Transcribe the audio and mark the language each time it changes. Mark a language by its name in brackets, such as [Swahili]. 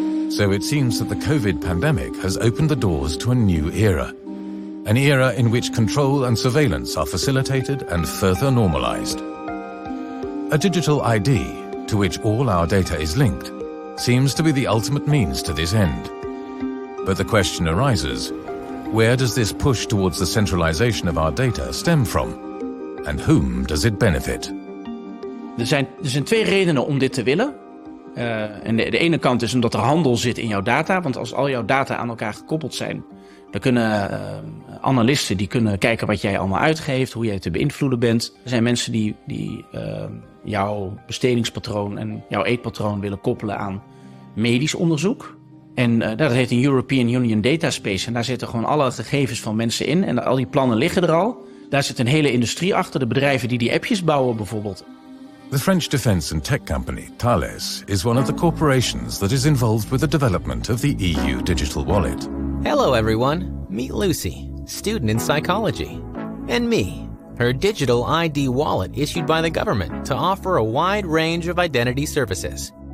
[English] So it seems that the COVID pandemic has opened the doors to a new era, an era in which control and surveillance are facilitated and further normalized. A digital ID, to which all our data is linked, seems to be the ultimate means to this end. But the question arises, where does this push towards the centralization of our data stem from? And whom does it benefit? [Dutch] Er zijn twee redenen om dit te willen. En de ene kant is omdat er handel zit in jouw data. Want als al jouw data aan elkaar gekoppeld zijn, dan kunnen analisten die kunnen kijken wat jij allemaal uitgeeft, hoe jij te beïnvloeden bent. Er zijn mensen die jouw bestedingspatroon en jouw eetpatroon willen koppelen aan medisch onderzoek. En dat heet een European Union Dataspace. En daar zitten gewoon alle gegevens van mensen in. En al die plannen liggen er al. Daar zit een hele industrie achter. De bedrijven die appjes bouwen bijvoorbeeld. [English] The French defense and tech company Thales is one of the corporations that is involved with the development of the EU digital wallet. Hello everyone, meet Lucy, student in psychology. And me, her digital ID wallet issued by the government to offer a wide range of identity services.